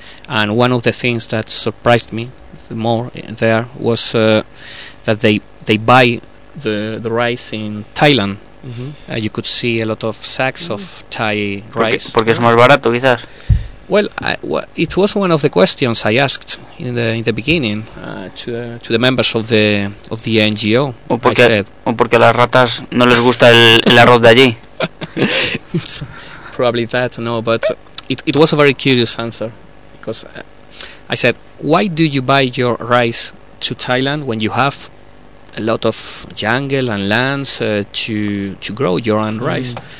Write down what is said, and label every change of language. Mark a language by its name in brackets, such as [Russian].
[English] And one of the things that surprised me the more there was that they buy the rice in Thailand. Mm-hmm. You could see a lot of sacks of Thai rice. [Spanish] Porque es más barato, quizás. [English] Well, it was one of the questions I asked in the beginning to the members of the NGO. [Spanish] O porque las ratas no les gusta el arroz de allí. [English] It's probably that, no, but it was a very curious answer, because I said, why do you buy your rice to Thailand when you have a lot of jungle and lands to grow your own rice?